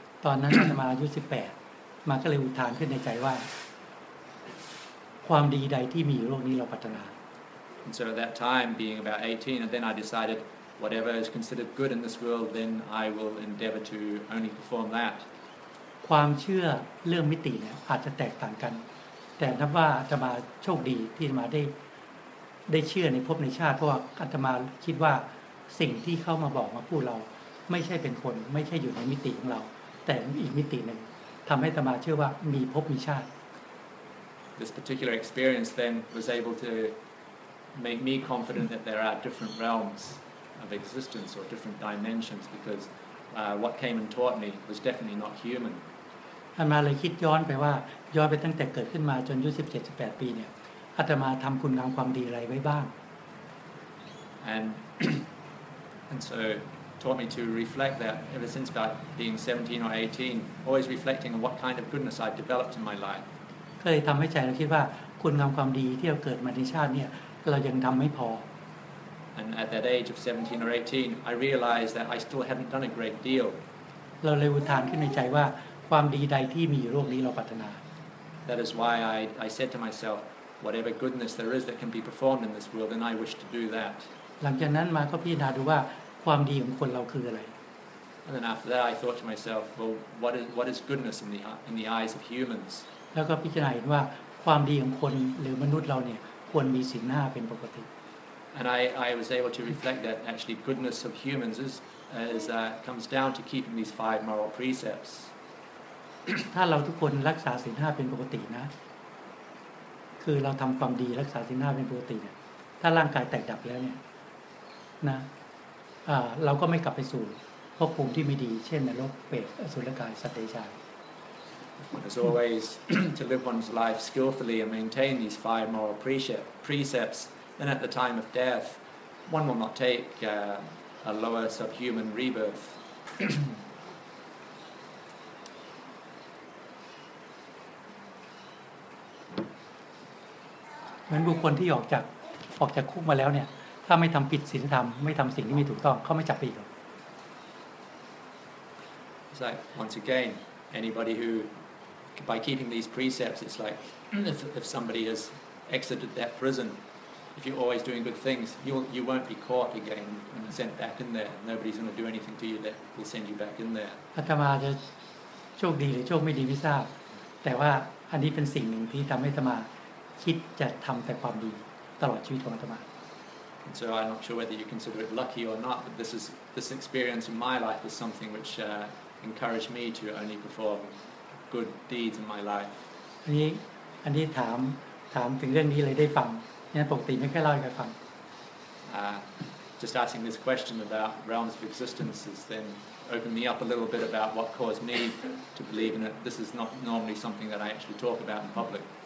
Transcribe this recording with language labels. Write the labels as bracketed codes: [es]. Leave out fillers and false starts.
[th] ตอนนั้นอาตมาอายุ18มาก็เลยอุทานขึ้นในใจว่าความดีใดที่มีอยู่โลกนี้เราปรารถนา [en] And so at that time being about 18 and then I decided whatever is considered good in this world then I will endeavor to only perform that [th] ความเชื่อเรื่องมิติเนี่ยอาจจะแตกต่างกันแต่นับว่าอาตมาโชคดีที่อาตมาได้เชื่อในภพในชาติเพราะว่าอาตมาคิดว่าสิ่งที่เข้ามาบอกมาพูดเราไม่ใช่เป็นคนไม่ใช่อยู่ในมิติของเราแต่อีกมิตินึงทำให้อาตมาเชื่อว่ามีภพมีชาติ [en] This particular experience then was able to make me confident that there are different realms of existence or different dimensions becauseWhat came and taught me was definitely not human. [th] อาตมาเลยคิดย้อนไปว่าย้อนไปตั้งแต่เกิดขึ้นมาจนอายุ 17-18 ปีเนี่ยอาตมาทำคุณงามความดีอะไรไว้บ้าง [en] And so taught me to reflect that ever since about being 17 or 18, always reflecting on what kind of goodness I've developed in my life. [th] ก็เลยทำให้ใจเราคิดว่าคุณงามความดีที่เราเกิดมาในชาติเนี่ยเรายังทำไม่พอ [en] And at that age of 17 or 18, I realized that I still hadn't done a great deal. [th] เราเลยอุทานขึ้นในใจว่าความดีใดที่มีอยู่โลกนี้เราปรารถนา [en] That is why I said to myself, whatever goodness there is that can be performed in this world, then I wish to do that. [th] หลังจากนั้นมาก็พิจารณาดูว่าความดีของคนเราคืออะไร [en] And then after that, I thought to myself, well, what is goodness in the eyes of humans? [th] แล้วก็พิจารณาเห็นว่าความดีของคนหรือมนุษย์เราเนี่ยควรมีศีลห้าเป็นปกติ [en] And I was able to reflect that actually goodness of humans comes down to keeping these five moral precepts. [th] ถ้าเราทุกคนรักษาศีล5เป็นปกตินะคือเราทำความดีรักษาศีล5เป็นปกติเนี่ยถ้าร่างกายแตกดับแล้วเนี่ยนะเราก็ไม่กลับไปสู่ภพภูมิที่ไม่ดีเช่นนรกเปรตอสุรกายสัตว์เดรัจฉาน [en] As always to live one's life skillfully and maintain these five moral precepts. And at the time of death, one will not take a lower subhuman rebirth. [th] เหมือนบุคคลที่ออกจากคุกมาแล้วเนี่ยถ้าไม่ทำผิดศีลธรรมไม่ทำสิ่งที่ไม่ถูกต้องเขาไม่จับไปอีกหรอก [en] It's like once again anybody who by keeping these precepts it's like if somebody has exited that prison if you're always doing good things you won't be caught again and sent back in there nobody's going to do anything to you that will send you back in there [th] อาตมาจะโชคดีหรือโชคไม่ดีไม่ทราบแต่ว่าอันนี้เป็นสิ่งหนึ่งที่ทำให้อาตมาคิดจะทำแต่ความดีตลอดชีวิตของอาตมา [en] And so I'm not sure whether you consider it lucky or not but this experience in my life is something whichencouraged me to only perform good deeds in my life [th] อันนี้ถามถึงเรื่องนี้เลยได้ฟังเนี่ยปกติไม่ค่อยเล่าให้ใครฟัง [en] just asking this question about realms of existence has then opened me up a little bit about what caused me to believe in it this is not normally something that I actually talk about in public